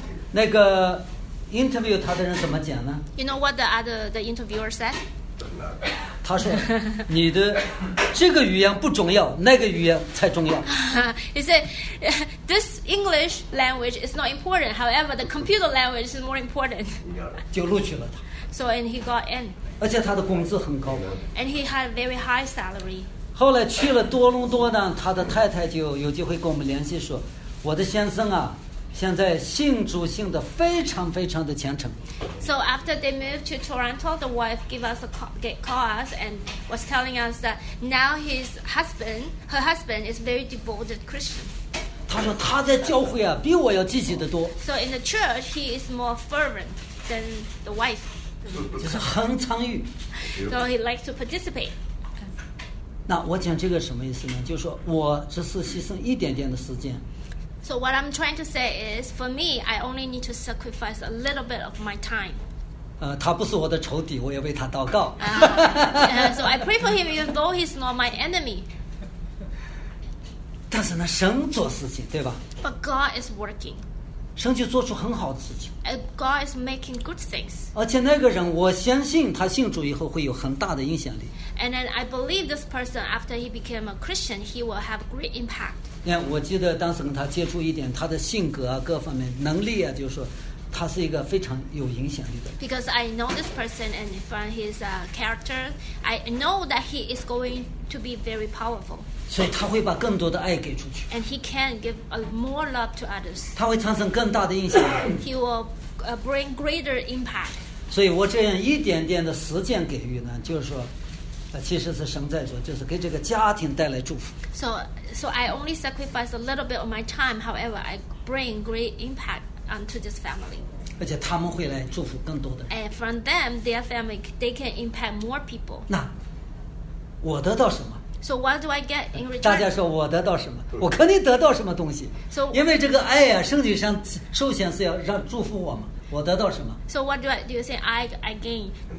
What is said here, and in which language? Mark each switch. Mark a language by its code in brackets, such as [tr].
[zh] 那个 interview 他的人怎么讲呢 [en] ？You know what the interviewer said? [zh] 他说，你的这个语言不重要，那个语言才重要。 [en] He said. This English language is not important. However, the computer language is more important. [zh] 就录取了他。 [en] So and he got in. [zh] 而且他的工资很高。 [en] And he had a very high salary. [zh] 后来去了多伦多呢，他的太太就有机会跟我们联系说，我的先生啊，现在信主信的非常非常的虔诚。 [en] So after they moved to Toronto, the wife gave us a call and was telling us that now his husband, her husband, is very devoted Christian. [zh] 他说他在教会啊，比我要积极的多。 [en] So in the church, he is more fervent than the wife. [zh] 就是很参与。 [en] So he likes to participate. [zh] 那我讲这个什么意思呢？就是说我只是牺牲一点点的时间。 [en] So what I'm trying to say is, for me, I only need to sacrifice a little bit of my time. [zh] 他不是我的仇敌，我也为他祷告。 [en] So I pray for him, even though he's not my enemy. [zh] 但是呢，神做事情，对吧？ [en] But God is working. [zh] 神就做出很好的事情。 [en] And God is making good things. [zh] 而且那个人，我相信他信主以后会有很大的影响力。 [en] And then I believe this person, after he became a Christian, he will have great impact. [zh] Yeah, 我记得当时跟他接触一点，他的性格啊，各方面能力啊，就是说，他是一个非常有影响力的。 [en] Because I know this person and from his character, I know that he is going to be very powerful. [zh] 所以他会把更多的爱给出去。 [en] And he can give more love to others. [zh] 他会产生更大的影响力。 [en] He will bring greater impact. [zh] 所以我这样一点点的实践给予呢，就是说。其实是神在做，就是给这个家庭带来祝福。 [en] So I only sacrifice a little bit of my time. However, I bring great impact onto this family. [zh] 而且他们会来祝福更多的人。 [en] And from them, their family, they can impact more people. [zh] 那我得到什么 [en] ？So what do I get in return? [zh] 大家说我得到什么？我肯定得到什么东西。 [en] So [zh] 因为这个爱啊，圣经上首先是要让祝福我嘛。我得到什么 [en] ？So what do you think I gain?